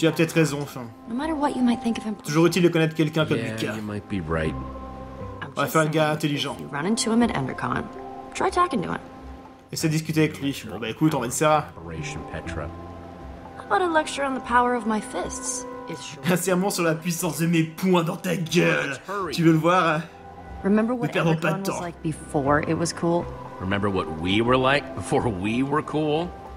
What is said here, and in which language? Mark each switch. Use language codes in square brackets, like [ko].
[fr] tu as peut-être raison, enfin. [en] No matter what you might think of him. [fr] Toujours utile de connaître quelqu'un comme [en] yeah, Lucas. Yeah, you might be right. [fr] On va faire le gars intelligent. [en] You run into him at Endercon. Try talking to him. [fr] Essaie de discuter avec lui. Bon, bah écoute, on va de Sarah. [en] How about a lecture on the power of my fists? [fr] Un serment sur la puissance de mes poings dans ta gueule. Tu veux le voir? [en] Remember what Endercon was like before it was cool? Remember what we were like before we were cool?